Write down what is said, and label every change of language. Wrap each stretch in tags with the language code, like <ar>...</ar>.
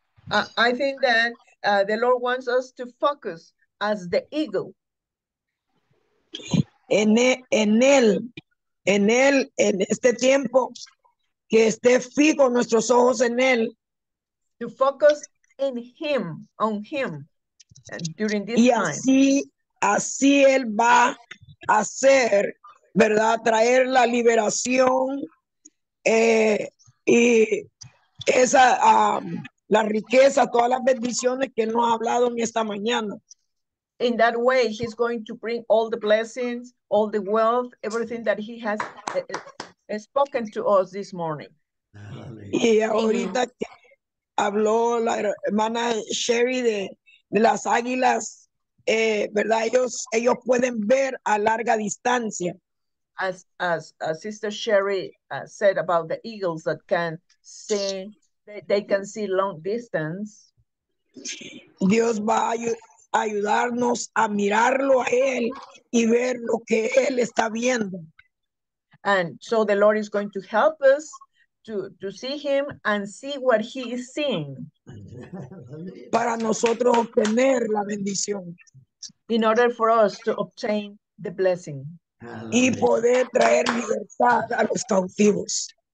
<en>I think that the Lord wants us to focus as the eagle.</en> <es>En él, en este tiempo, que esté fijo nuestros ojos en él.</es> <en>To focus in him, on him, during this</en> <es>y así, Y así él va a hacer, ¿verdad? Traer la liberación y esa, la riqueza, todas las bendiciones que no ha hablado ni esta mañana.</es> <en>In that way, he's going to bring all the blessings, all the wealth, everything that he has spoken to us this morning.</en> <es>Y ahorita que habló la hermana Sherry de las águilas, ¿verdad? Ellos pueden ver a larga distancia.</es> <en>As Sister Sherry said about the eagles that can see, they can see long distance.</en> <es>Dios va a ayudarnos a mirarlo a él y ver lo que él está viendo.</es> <en>And so the Lord is going to help us to see him and see what he is seeing.</en> <es>Para nosotros obtener la bendición.</es> <en>In order for us to obtain the blessing.</en> <es>Y poder traer libertad a los cautivos.</es>